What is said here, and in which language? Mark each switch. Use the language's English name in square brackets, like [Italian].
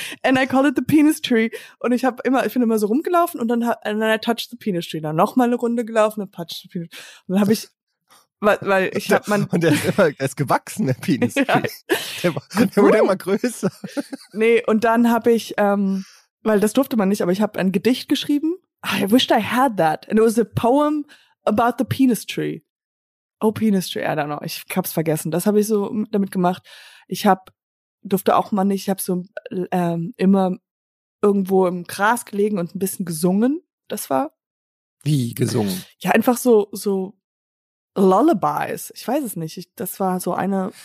[English] And I call it the penis tree. [German] Und ich habe immer, ich bin immer so rumgelaufen und dann [English] I touched the penis tree. [German] Dann nochmal eine Runde gelaufen und [English] touched the penis tree. [German] Und dann habe ich, weil ich habe mein... Und der ist immer, er ist gewachsen, der penis tree. Der wurde immer größer. Nee, und dann habe ich, weil das durfte man nicht, aber ich habe ein Gedicht geschrieben. [English] I wished I had that. And it was a poem about the penis tree. Oh, penis tree, I don't know. [German] Ich hab's vergessen. Das habe ich so damit gemacht. Ich durfte auch mal nicht, ich habe so immer irgendwo im Gras gelegen und ein bisschen gesungen. Das war. Wie gesungen? Ja, einfach so Lullabies. Ich weiß es nicht. Das war so eine.